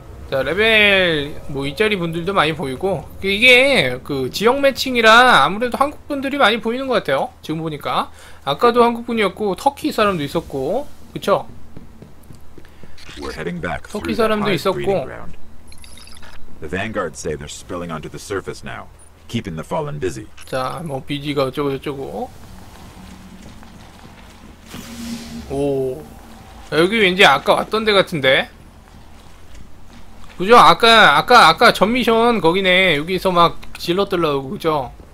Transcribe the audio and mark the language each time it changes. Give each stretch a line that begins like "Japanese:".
Korean: 자, 레벨 뭐 2짜리 분들도 많이 보이고 이게 그 지역 매칭이라 아무래도 한국분들이 많이 보이는 것 같아요. 지금 보니까 아까도 한국분이었고 터키 사람도 있었고 그쵸? 터키 사람도 있었고
English: The Vanguard say they're spilling onto the surface now, keeping the fallen busy.
Korean: 자, 뭐 BG가 어쩌고 저쩌고. 오, 여기 왠지 아까 왔던 데 같은데. 그죠? 아까 전 미션 거기네. 여기서 막 질럿 들라고 그죠?